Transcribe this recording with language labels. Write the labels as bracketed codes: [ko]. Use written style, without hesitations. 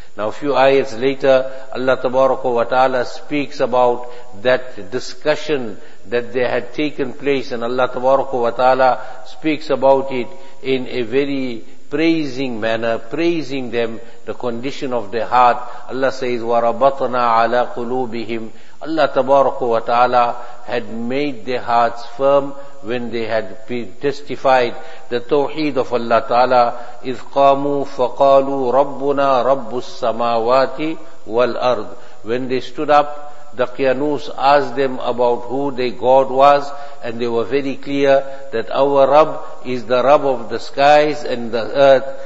[en] Now a few ayats later, Allah tabaraka wa ta'ala speaks about that discussion that they had taken place, and Allah tabaraka wa ta'ala speaks about it in a very praising manner, praising them, the condition of their heart. Allah says, [ar] وَرَبَطْنَا عَلَىٰ قُلُوبِهِمْ. [en] Allah Tabaraka wa Ta'ala had made their hearts firm when they had testified the Tawheed of Allah Ta'ala. [ar] إِذْ قَامُوا فَقَالُوا رَبُّنَا رَبُّ السَّمَاوَاتِ وَالْأَرْضِ. [en] When they stood up, the Qiyanus asked them about who their God was, and they were very clear that our Rabb is the Rabb of the skies and the earth.